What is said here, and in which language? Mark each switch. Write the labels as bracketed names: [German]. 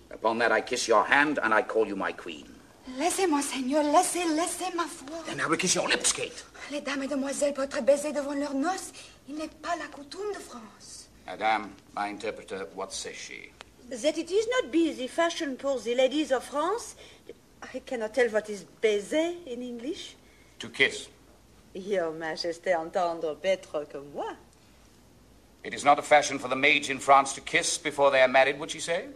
[English] Upon that I kiss your hand and I call you my queen. [French] Laissez, monseigneur, laissez, ma foi. [English] Then I will kiss your lips, Kate. [French] Les dames et demoiselles peuvent baiser devant leurs noces. Il n'est pas la coutume de France. [English] Madame, my interpreter, what says she? That it is not be the fashion for the ladies of France. I cannot tell what is baiser in English. To kiss. Your [French] majesté entendre [English] better [French] que moi. [English] It is not a fashion for the maids in France to kiss before they are married, would she say?